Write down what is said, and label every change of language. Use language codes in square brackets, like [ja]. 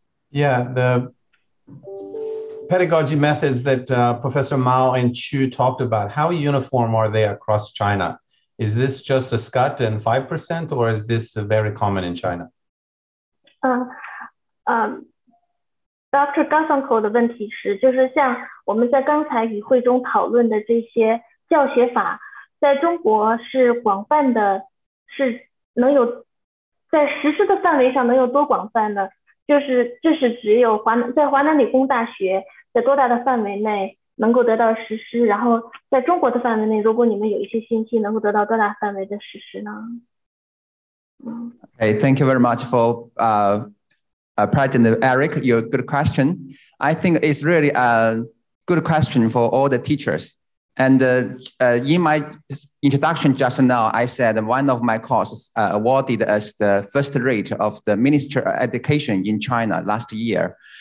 [en] Yeah, the pedagogy methods that Professor Mao and Chu talked about, how uniform are they across China? Is this just a SCUT and 5%, or is this very common in China? Dr. [zh] Gasanko 的问题是，就是像我们在刚才与会中讨论的这些教学法，在中国是广泛的，是能有在实施的范围上能有多广泛的？就是这是只有在华南理工大学在多大的范围内能够得到实施？然后在中国的范围内，如果你们有一些信息，能够得到多大范围的实施呢？ [en] Okay, thank you very much for President Eric, your good question. I think it's really a good question for all the teachers. And in my introduction just now, I said one of my courses awarded as the first rate of the Ministry of Education in China last year.